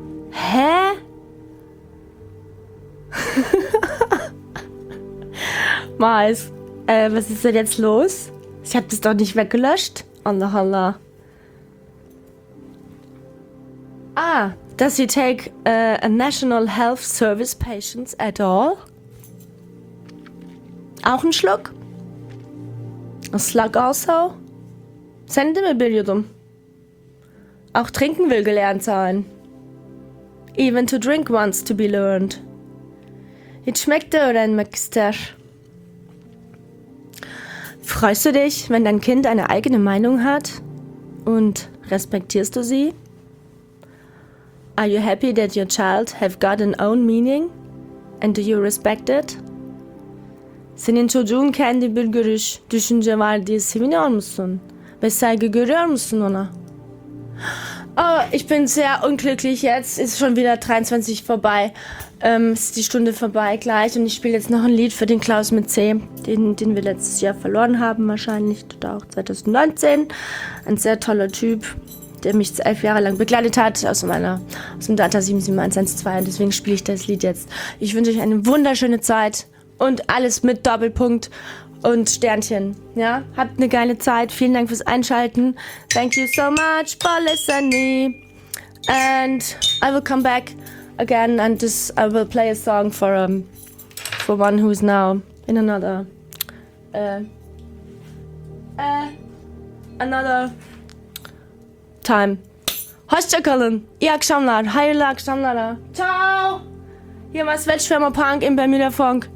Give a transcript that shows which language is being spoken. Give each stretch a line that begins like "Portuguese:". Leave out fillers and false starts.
German: Hä? Mais, was ist denn jetzt los? Ich hab das doch nicht weggelöscht.
Turkish: Allahallah.
English: Ah, does he take a National Health Service patients at all?
German: Auch ein Schluck?
English: A slug also? Send him a billion.
German: Auch trinken will gelernt sein.
English: Even to drink wants to be learned.
German: Jetzt schmeckt er oder ein Mixter? Freust du dich, wenn dein Kind eine eigene Meinung hat? Und respektierst du sie?
English: Are you happy that your child have got an own meaning? And do you respect it?
Turkish: Senin çocuğun kendi bir görüş, düşünce var diye seviniyor musun? Ve saygı görüyor musun ona?
German: Oh, ich bin sehr unglücklich jetzt. Ist schon wieder 23 vorbei. Ist die Stunde vorbei gleich. Und ich spiele jetzt noch ein Lied für den Klaus mit C, den wir letztes Jahr verloren haben wahrscheinlich. Oder auch 2019. Ein sehr toller Typ, der mich 11 Jahre lang begleitet hat aus dem Data 77112. Und deswegen spiele ich das Lied jetzt. Ich wünsche euch eine wunderschöne Zeit. Und alles mit Doppelpunkt und Sternchen. Ja, habt eine geile Zeit. Vielen Dank fürs Einschalten.
English: Thank you so much for listening. And I will come back again and this, I will play a song for one who is now in another another time.
Turkish: Hoşça kalın. İyi akşamlar. Hayırlı akşamlara. Ciao.
German: Hier war Svetschwärmer Punk im Bermuda Funk.